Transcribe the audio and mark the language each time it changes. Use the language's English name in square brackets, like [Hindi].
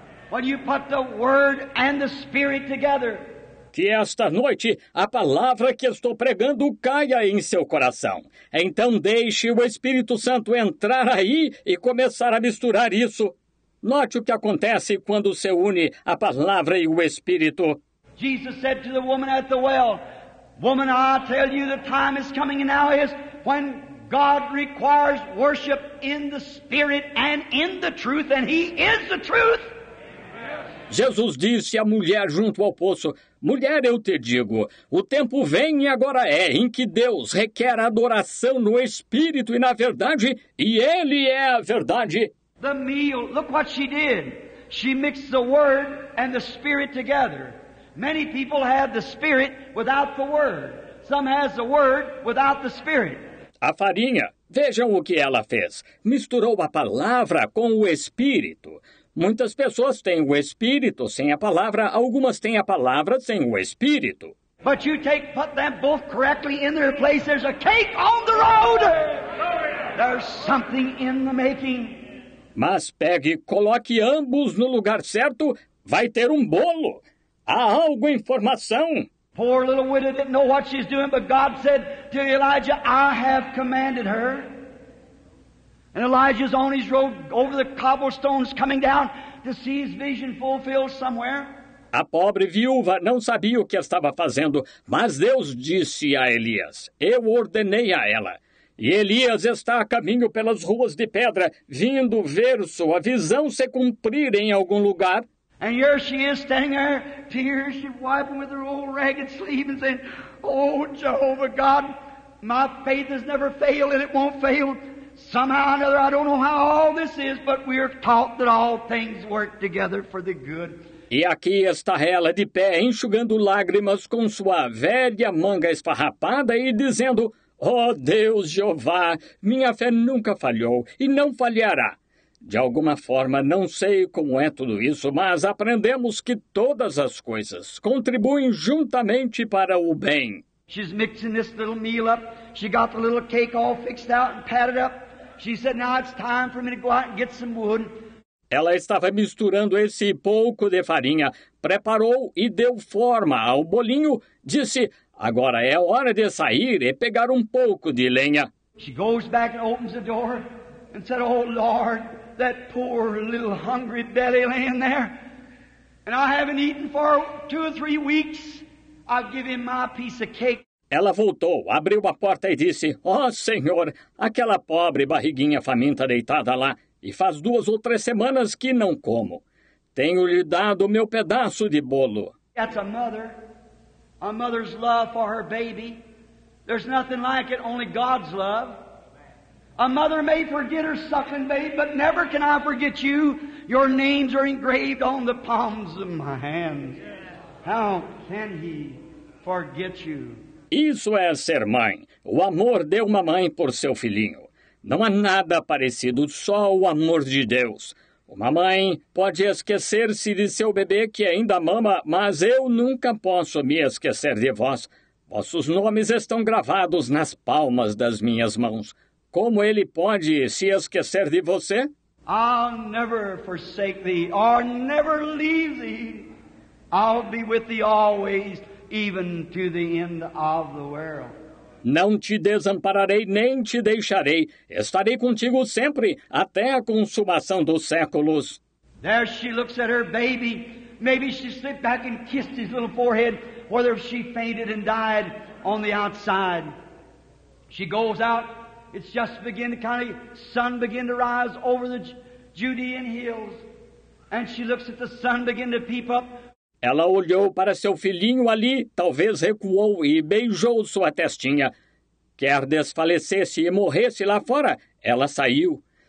[English] When you put the Word and the Spirit together. [Portuguese] Que esta noite a palavra que estou pregando caia em seu coração. Então deixe o Espírito Santo entrar aí e começar a misturar isso. Note o que acontece quando se une a palavra e o Espírito. [English] Jesus said to the woman at the well, "Woman, I tell you, the time is coming and now is when God requires worship in the Spirit and in the truth, and He is the truth." [Portuguese] Jesus disse à mulher junto ao poço, "Mulher, eu te digo, o tempo vem e agora é em que Deus requer adoração no Espírito e na verdade, e Ele é a verdade." [English] The meal, look what she did. She mixed the Word and the Spirit together. Many people have the Spirit without the Word. Some has the Word without the Spirit. [Portuguese] A farinha, vejam o que ela fez. Misturou a palavra com o Espírito. Muitas pessoas têm o Espírito sem a palavra, algumas têm a palavra sem o Espírito. [English] But you take, put them both correctly in their place, there's a cake on the road. There's something in the making. [Portuguese] Mas pegue, coloque ambos no lugar certo, vai ter um bolo. Há algo em formação. [English] Poor little widow didn't know what she's doing, but God said to Elijah, "I have commanded her." And Elijah's on his road over the cobblestones coming down to see his vision fulfilled somewhere. [Portuguese] A pobre viúva não sabia o que estava fazendo, mas Deus disse a Elias, "Eu ordenei a ela." E Elias está a caminho pelas ruas de pedra, vindo ver sua visão se cumprir em algum lugar. [English] And here she is standing there, tears, she's wiping with her old ragged sleeve and saying, "Oh, Jehovah God, my faith has never failed and it won't fail. Somehow or another, I don't know how all this is, but we are taught that all things work together for the good." [Portuguese] E aqui está ela de pé, enxugando lágrimas com sua velha manga esfarrapada e dizendo, Oh, Deus Jeová, minha fé nunca falhou e não falhará. De alguma forma, não sei como é tudo isso, mas aprendemos que todas as coisas contribuem juntamente para o bem. [English] She's mixing this little meal up. She got the little cake all fixed out and patted up. She said, now it's time for me to go out and get some wood. [Portuguese] Ela estava misturando esse pouco de farinha, preparou e deu forma ao bolinho, disse, agora é hora de sair e pegar um pouco de lenha. [English] She goes back and opens the door and said, oh Lord, that poor little hungry belly laying there. And I haven't eaten for 2 or 3 weeks. I'll give him my piece of cake. [Portuguese] Ela voltou, abriu a porta e disse, oh Senhor, aquela pobre barriguinha faminta deitada lá. E faz 2 ou 3 semanas que não como. Tenho lhe dado meu pedaço de bolo. [English] That's a mother. A mother's love for her baby. There's nothing like it, only God's love. A mother may forget her suckling babe, but never can I forget you. Your names are engraved on the palms of my hands. How can he forget you? [Portuguese] Isso é ser mãe. O amor de uma mãe por seu filhinho. Não há nada parecido, só o amor de Deus. Uma mãe pode esquecer-se de seu bebê que ainda mama, mas eu nunca posso me esquecer de vós. Vossos nomes estão gravados nas palmas das minhas mãos. Como ele pode se esquecer de você? [English] I'll never forsake thee, or never leave thee. I'll be with thee always, even to the end of the world. [Portuguese] Não te desampararei, nem te deixarei. Estarei contigo sempre, até a consumação dos séculos. [English] There she looks at her baby. Maybe she slipped back and kissed his little forehead, whether she fainted and died on the outside. She goes out. It's just beginning to kind of sun begin to rise over the Judean hills. And she looks at the sun begin to peep up. [Portuguese] Ela olhou para seu filhinho ali, talvez recuou e beijou sua testinha. Quer desfalecesse e morresse lá fora, ela saiu.